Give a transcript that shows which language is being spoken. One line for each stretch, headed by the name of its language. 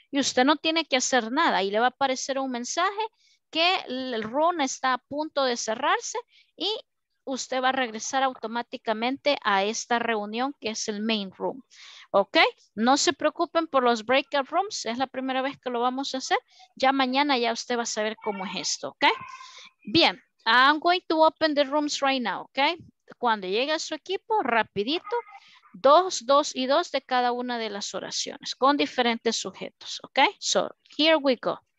Spanish: Y usted no tiene que hacer nada. Y le va a aparecer un mensaje que el room está a punto de cerrarse y usted va a regresar automáticamente a esta reunión que es el main room. ¿Ok? No se preocupen por los breakout rooms. Es la primera vez que lo vamos a hacer. Ya mañana ya usted va a saber cómo es esto. ¿Ok? Bien.
English: I'm going to open the rooms right now.
Spanish: ¿Ok? Cuando llegue a su equipo, rapidito, dos, dos y dos de cada una de las oraciones con diferentes sujetos.
English: ¿Ok? So, here we go.